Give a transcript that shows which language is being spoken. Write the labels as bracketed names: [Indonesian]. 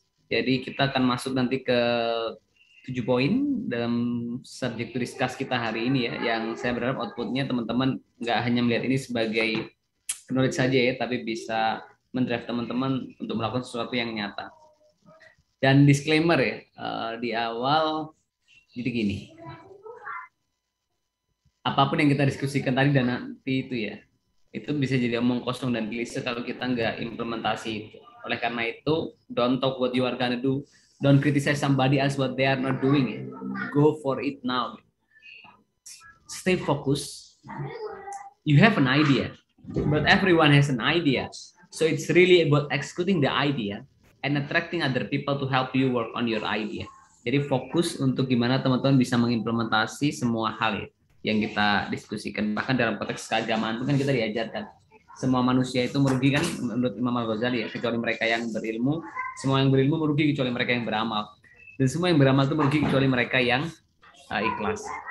[Indonesian] Jadi kita akan masuk nanti ke 7 poin dalam subjek [English] to discuss [Indonesian] kita hari ini ya, yang saya berharap outputnya teman-teman nggak hanya melihat ini sebagai knowledge saja ya, tapi bisa mendrive teman-teman untuk melakukan sesuatu yang nyata. Dan disclaimer ya, di awal jadi gini, apapun yang kita diskusikan tadi dan nanti itu ya, itu bisa jadi omong kosong dan klise kalau kita nggak implementasi itu. Oleh karena itu, [English] don't talk what you are gonna do, don't criticize somebody else what they are not doing. Go for it now. Stay focused. You have an idea, but everyone has an idea. So it's really about executing the idea and attracting other people to help you work on your idea. [Indonesian] Jadi fokus untuk gimana teman-teman bisa mengimplementasi semua hal itu yang kita diskusikan. Bahkan dalam konteks keagamaan itu kan kita diajarkan semua manusia itu merugi kan, menurut Imam Al-Ghazali ya, kecuali mereka yang berilmu. Semua yang berilmu merugi kecuali mereka yang beramal, dan semua yang beramal itu merugi kecuali mereka yang ikhlas.